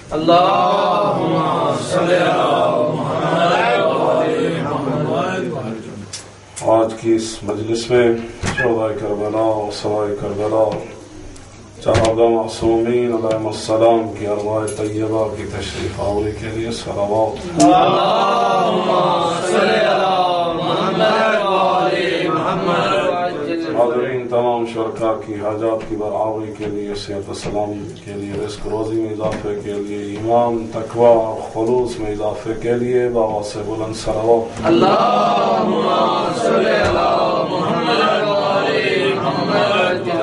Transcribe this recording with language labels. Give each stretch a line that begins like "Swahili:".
Arabic: اللهم صل على محمد وعلى محمد.
Urdu: آج کی اس مجلس میں شہداء کربلا و سوائے کربلا جہاد معصومین علیہ السلام کی ارواح طیبہ کی تشریف آوری کے لیے صلوات
Arabic: اللهم صل على محمد وعلى محمد.
Urdu: حاضرین تمام شرکا کی حاجات کی برآوری کے لیے، صحت و سلام کے لیے، رزق روزی میں اضافے کے لیے، ایمان تقویٰ خلوص میں اضافے کے لیے بابا سے بلند صلوات
Arabic: اللهم صل علی محمد وعلی محمد.